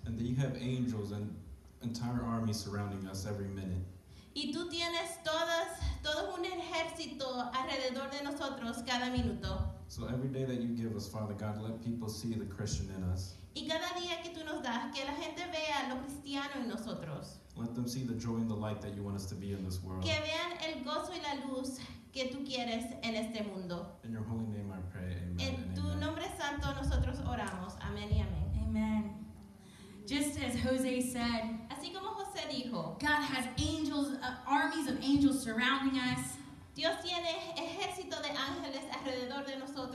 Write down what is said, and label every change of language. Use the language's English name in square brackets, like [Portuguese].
[English] And that you have angels and entire army surrounding us every minute. [Spanish] Y tú tienes todo un ejército alrededor de nosotros cada minuto. [English] So every day that you give us, Father God, let people see the Christian in us. [Spanish] Y cada día que tú nos das, que la gente vea lo cristiano en nosotros. [English] Let them see the joy and the light that you want us to be in this world. [Spanish] Que vean el gozo y la luz que tú quieres en este mundo. [English] In your holy name I pray, amen. [Spanish] En tu nombre santo nosotros oramos, amén y amén. [English] Amen. Just as Jose said, [Spanish] así como José dijo, [English] God has angels, armies of angels surrounding us. [Spanish] Dios tiene ejército de ángeles alrededor de nosotros.